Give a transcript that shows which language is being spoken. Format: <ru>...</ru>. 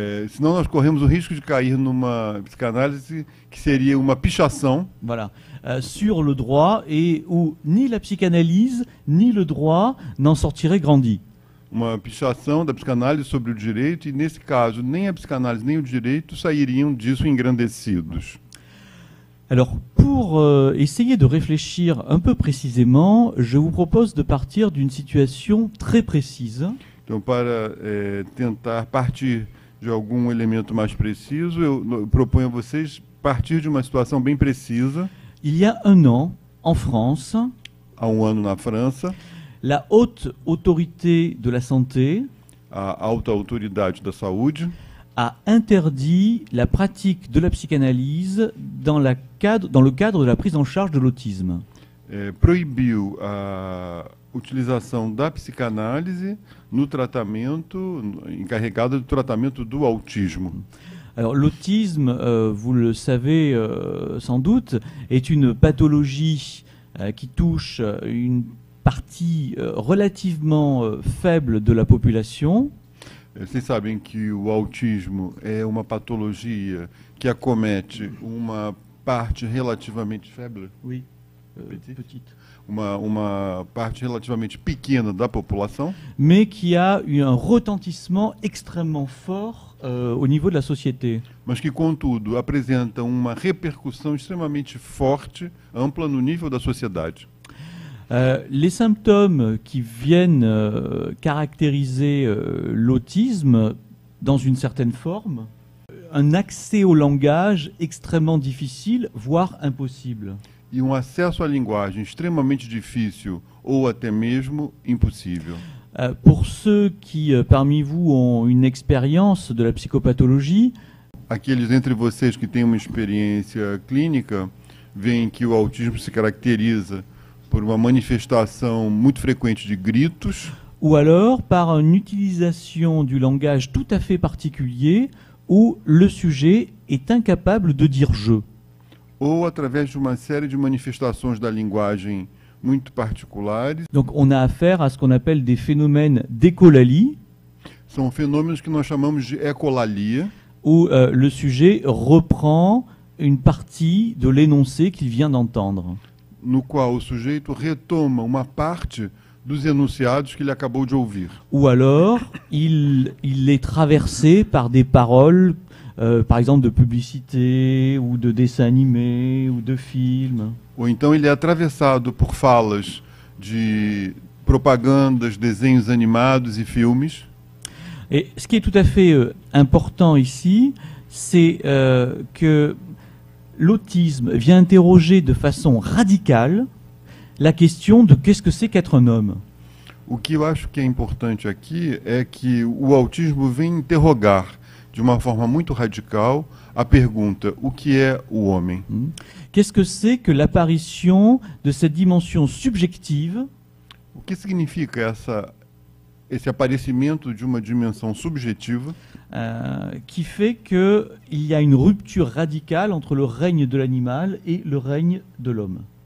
<pt>Senão nós corremos o risco de cair numa psicanálise que seria uma pichação.</pt> <fr>Voilà. Sur le droit et où ni la psychanalyse ni le droit n'en sortiraient grandi.</fr> <pt>Uma pichação da psicanálise sobre o direito e nesse caso nem a psicanálise nem o direito sairiam disso engrandecidos.</pt> <fr>Alors, pour essayer de réfléchir un peu précisément, je vous propose de partir d'une situation très précise.</fr> <pt>Então, para tentar partir de algum elemento mais preciso, eu proponho a vocês partir de uma situação bem precisa.</pt> <fr>Il y a un an, en France,</fr> <pt>há ano na França,</pt> <fr>la haute autorité de la santé,</fr> <pt>a alta autoridade da saúde,</pt> <fr>a interdit la pratique de la psychanalyse dans le cadre de la prise en charge de l'autisme.</fr> <pt>Proibiu a utilização da psicanálise no tratamento, encarregada do tratamento do autismo.</pt> <fr>Alors, l'autisme, vous le savez sans doute, est une pathologie qui touche une partie relativement faible de la population.</fr> <pt>Vocês sabem que o autismo é uma patologia que acomete uma parte relativamente faible?</pt> <fr>Oui. Petite.</fr> <pt>Uma parte relativamente pequena da população,</pt> <fr>mais qui a un retentissement extrêmement fort au niveau de la société.</fr> <pt>Mas que contudo apresenta uma repercussão extremamente forte, ampla no nível da sociedade.</pt> <fr>Les symptômes qui viennent caractériser l'autisme dans une certaine forme, un accès au langage extrêmement difficile, voire impossible.</fr> <pt>E acesso à linguagem extremamente difícil ou até mesmo impossível.</pt> <fr>Pour ceux qui parmi vous ont une expérience de la psychopathologie,</fr> <pt>aqueles entre vocês que têm uma experiência clínica, veem que o autismo se caracteriza por uma manifestação muito frequente de gritos,</pt> <fr>ou alors par une utilisation du langage tout à fait particulier où le sujet est incapable de dire je.</fr> <pt>Ou através de uma série de manifestações da linguagem muito particulares.</pt> <fr>Donc on a affaire à ce qu'on appelle des phénomènes d'écolalie.</fr> <pt>São fenômenos que nós chamamos de ecolalia.</pt> <fr>Où le sujet reprend une partie de l'énoncé qu'il vient d'entendre.</fr> <pt>No qual o sujeito retoma uma parte dos enunciados que ele acabou de ouvir.</pt> <fr>Ou alors, il est traversé par des paroles, par exemple, de publicité, ou de dessins animés, ou de films.</fr> <pt>Ou então ele é atravessado por falas de propagandas, desenhos animados e filmes.</pt> <fr>Et ce qui est tout à fait important ici, c'est que l'autisme vient interroger de façon radicale la question de qu'est-ce que c'est qu'être un homme.</fr> <pt>O que eu acho que é importante aqui é que o autismo vem interrogar de uma forma muito radical a pergunta o que é o homem.</pt> <fr>Qu'est-ce que c'est que l'apparition de cette dimension subjective?</fr> <pt>O que significa esse aparecimento de uma dimensão subjetiva</pt> <fr>que fait que il y a une rupture radicale entre le règne de l'animal et le règne de l'homme.</fr>